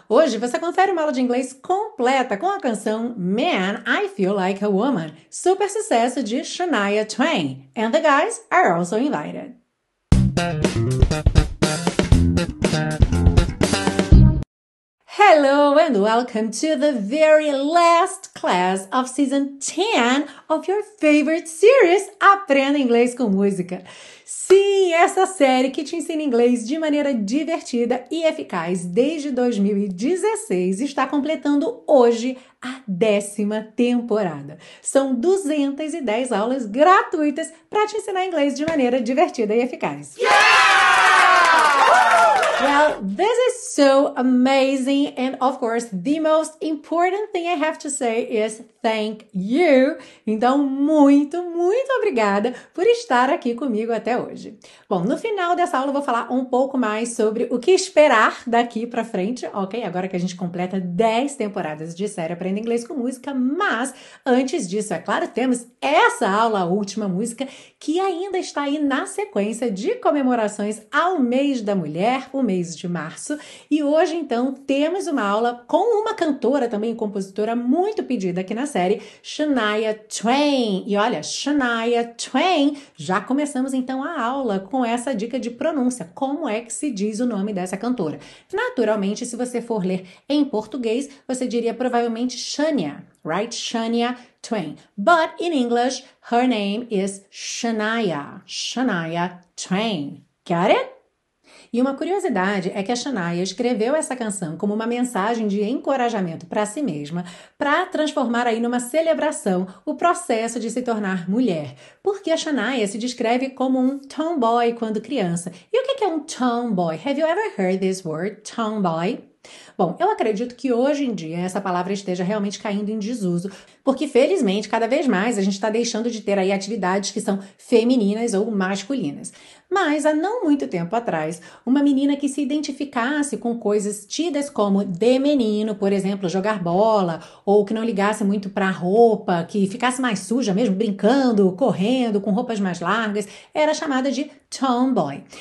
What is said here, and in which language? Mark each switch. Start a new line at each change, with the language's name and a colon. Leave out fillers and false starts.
Portuguese: Hoje você confere uma aula de inglês completa com a canção Man, I Feel Like a Woman, super sucesso de Shania Twain.
English: And the guys are also invited. Hello and welcome to the very last class of season 10 of your favorite series, Aprenda Inglês com Música.
Portuguese: Sim, essa série que te ensina inglês de maneira divertida e eficaz desde 2016 está completando hoje a décima temporada. São 210 aulas gratuitas para te ensinar inglês de maneira divertida e eficaz.
English: Well, this is so amazing, and of course, the most important thing I have to say is thank you.
Portuguese: Então, muito, muito obrigada por estar aqui comigo até hoje. Bom, no final dessa aula eu vou falar um pouco mais sobre o que esperar daqui para frente, ok? Agora que a gente completa 10 temporadas de série Aprenda Inglês com Música, mas antes disso, é claro, temos essa aula, a última música, que ainda está aí na sequência de comemorações ao mês da mulher, o mês de março. E hoje, então, temos uma aula com uma cantora também, compositora muito pedida aqui na série, Shania Twain. E olha, Shania Twain, já começamos então a aula com essa dica de pronúncia, como é que se diz o nome dessa cantora. Naturalmente, se você for ler em português, você diria provavelmente Shania, right? Shania Twain.
English: But in English, her name is Shania, Shania Twain. Got it?
Portuguese: E uma curiosidade é que a Shania escreveu essa canção como uma mensagem de encorajamento para si mesma, para transformar aí numa celebração o processo de se tornar mulher. Porque a Shania se descreve como um tomboy quando criança. E o que é um tomboy?
English: Have you ever heard this word, tomboy?
Portuguese: Bom, eu acredito que hoje em dia essa palavra esteja realmente caindo em desuso, porque felizmente cada vez mais a gente está deixando de ter aí atividades que são femininas ou masculinas. Mas há não muito tempo atrás, uma menina que se identificasse com coisas tidas como de menino, por exemplo, jogar bola, ou que não ligasse muito para roupa, que ficasse mais suja mesmo, brincando, correndo, com roupas mais largas, era chamada de tomboy.